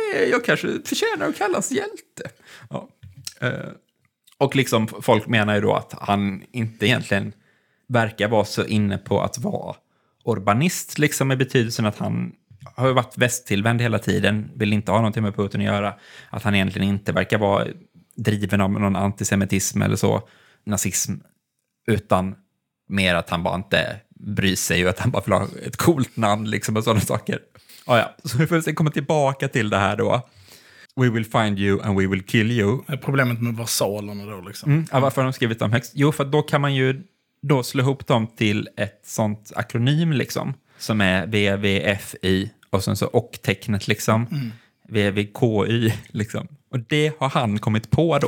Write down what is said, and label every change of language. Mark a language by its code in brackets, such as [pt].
[sv] Jag kanske förtjänar att kallas hjälte. Ja. Och liksom folk menar ju då att han inte egentligen verkar vara så inne på att vara urbanist liksom, i betydelsen att han har ju varit västtillvänd hela tiden, vill inte ha någonting med Putin att göra, att han egentligen inte verkar vara driven av någon antisemitism eller så, nazism, utan mer att han bara inte bryr sig och att han bara vill ha ett coolt namn liksom och sådana saker. Oh, ja. Så vi får sen komma tillbaka till det här då. [en] We will find you and we will kill you. [sv] Problemet med vasalerna då liksom. Mm. Ja, varför har de skrivit dem högst? Jo, för då kan man ju då slå ihop dem till ett sånt akronym liksom, som är VVFY och sen så och tecknet liksom. Mm. VVKY liksom. Och det har han kommit på då.